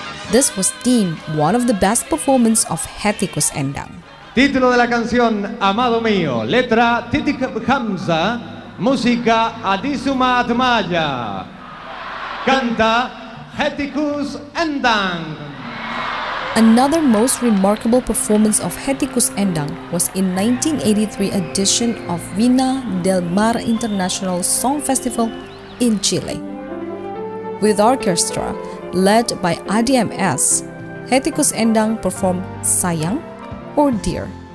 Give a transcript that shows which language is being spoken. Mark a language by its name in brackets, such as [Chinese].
[English] This was deemed one of the best performances of Hetty Kusendang. [Spanish] Título de la canción, Amado Mío, letra Titik Hamza, música Adisuma Atmaya. Canta Hetty Kusendang. [English] Another most remarkable performance of Hetty Kusendang was in 1983 edition of Viña del Mar International Song Festival in Chile. With orchestra led by ADMS, Hetty Kusendang performed Sayang or Dear.